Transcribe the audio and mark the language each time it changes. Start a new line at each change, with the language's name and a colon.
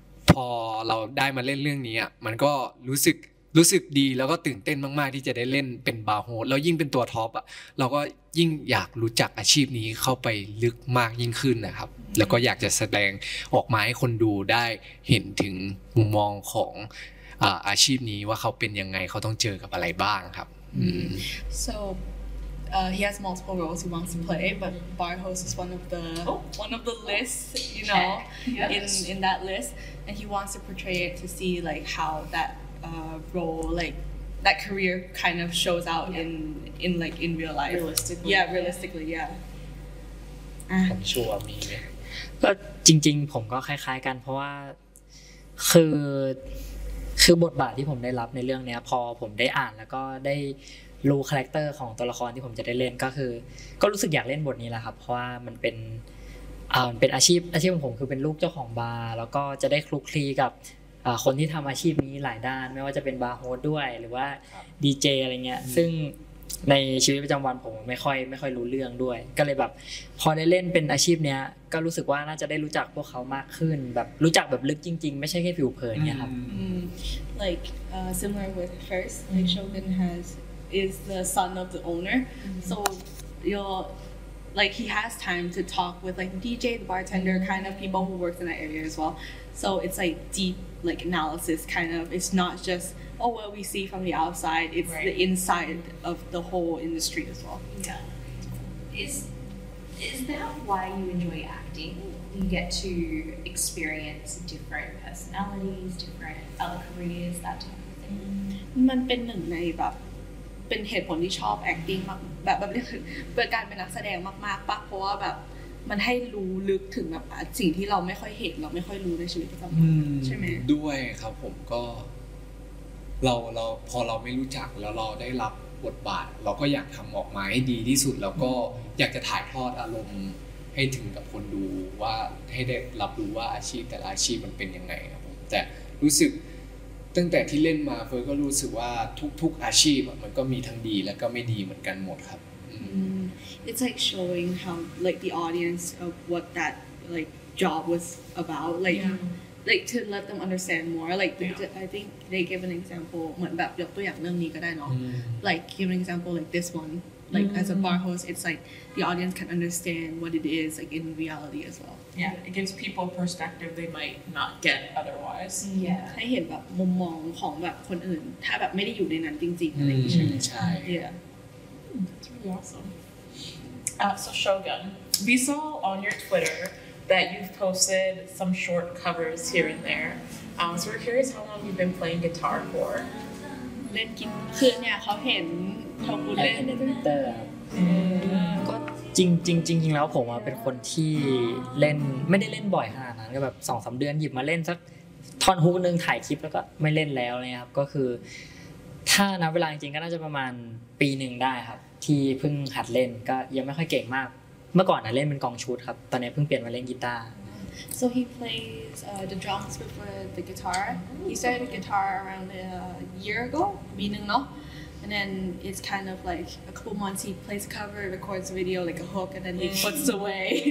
Thai: พอเราได้มาเล่นเรื่องนี้อ่ะมันก็รู้สึกดีแล้วก็ตื่นเต้นมากๆที่จะได้เล่นเป็นบาโฮสแล้วยิ่งเป็นตัวท็อปอ่ะเราก็ยิ่งอยากรู้จักอาชีพนี้เข้าไปลึกมากยิ่งขึ้นนะครับแล้วก็อยากจะแสดงออกมาให้คนดูได้เห็นถึงมุมมองของอาชีพนี้ว่าเขาเป็นยังไงเขาต้องเจอกับอะไรบ้างครับ
English: So he has multiple roles he wants to play but bar host is one of the lists you know in that list and he wants to portray it to see like how that role like that career kind of shows out in like in real life realistically
Thai: ผมชัวร์มี ก็จริงๆผมก็คล้ายๆกันเพราะว่าคือบทบาทที่ผมได้รับในเรื่องเนี้ยพอผมได้อ่านแล้วก็ได้รู้คาแรคเตอร์ของตัวละครที่ผมจะได้เล่นก็คือก็รู้สึกอยากเล่นบทนี้แหละครับเพราะว่ามันเป็นอาชีพของผมคือเป็นลูกเจ้าของบาร์แล้วก็จะได้คลุกคลีกับคนที่ทําอาชีพนี้หลายด้านไม่ว่าจะเป็นบาร์โฮสด้วยหรือว่าดีเจอะไรเงี้ยซึ่ง ในชีวิตประจําวันผมไม่ค่อยรู้เรื่องด้วยก็เลยแบบพอได้เล่นเป็นอาชีพเนี้ยก็รู้สึกว่าน่าจะได้รู้จักพวกเขามากขึ้นแบบรู้จักแบบลึกจริงๆไม่ใช่แค่ผิวเผินเงี้ยครับ
English: like similar with first like Shogun is the son of the owner so you're like he has time to talk with like DJ the bartender kind of people who works in that area as well so it's like deep like analysis kind of it's not justOh, what we see from the outside, it's right. the inside of the whole industry as well. Yeah. Is that why you enjoy acting? You get to experience different personalities, different other careers, that type of thing?
Thai: มันเป็นหนึ่งในแบบเป็นเหตุผลที่ชอบ acting มากแบบเพื่อการเป็นนักแสดงมากๆปะเพราะว่าแบบมันให้รู้ลึกถึงแบบสิ่งที่เราไม่ค่อยเห็นเราไม่ค่อยรู้ในชีวิตประจำวันใช่ไหม ด้วยครับผมก็เราพอเราไม่รู้จักแล้วเราได้รับบทบาทเราก็อยากทําออกมาให้ดีที่สุดแล้วก็อยากจะถ่ายทอดอารมณ์ให้ถึงกับคนดูว่าให้ได้รับรู้ว่าอาชีพแต่ละอาชีพมันเป็นยังไงครับผมแต่รู้สึกตั้งแต่ที่เล่นมาเฟิร์สก็รู้สึกว่าทุกอาชีพมันก็มีทั้งดีแล้วก็ไม่ดีเหมือนกันหมดครับ
English: It's like showing how like the audience of what that like job was about like yeah. Like to let them understand more. Like yeah. I think they give an example.
Thai: เหมือนแบบยกตัวอย่างเรื่องนี้ก็ได้เนาะ
English: Like give an example like this one. Like as a bar host, it's like the audience can understand what it is like in reality as well. Yeah, it gives people perspective they might not get otherwise. Yeah.
Thai: ให้เห็นแบบมุมมองของแบบคนอื่นถ้าแบบไม่ได้อยู่ในนั้นจริงๆอะไรอย่างเงี้ย ใช่
English: Yeah. That's really awesome. So Shogun, we saw on your Twitter. That you've posted some short covers here and there. So we're curious how long you've been playing guitar for.
Thai: เล่นกินคือเนี่ยเขาเห็นทองคุณเล่น ในทวิตเตอร์ก็จริงจริงจริงจริงแล้วผมเป็นคนที่เล่นไม่ได้เล่นบ่อยขนาดนั้นก็แบบสองสามเดือนหยิบมาเล่นสักท่อนฮุกนึงถ่ายคลิปแล้วก็ไม่เล่นแล้วเนี่ยครับก็คือถ้านับเวลาจริงก็น่าจะประมาณปีนึงได้ครับที่เพิ่งหัดเล่นก็ยังไม่ค่อยเก่งมากเมื่อก่อนนะเล่นเป็นกองชุดครับตอนนี้เพิ่งเปลี่ยนมาเล่นกีตาร์
English: so he plays the drums before the guitar he started guitar around a year ago
Thai: ปีนึงเนาะ
English: and then it's kind of like a couple months he plays cover records video like a hook and then he puts away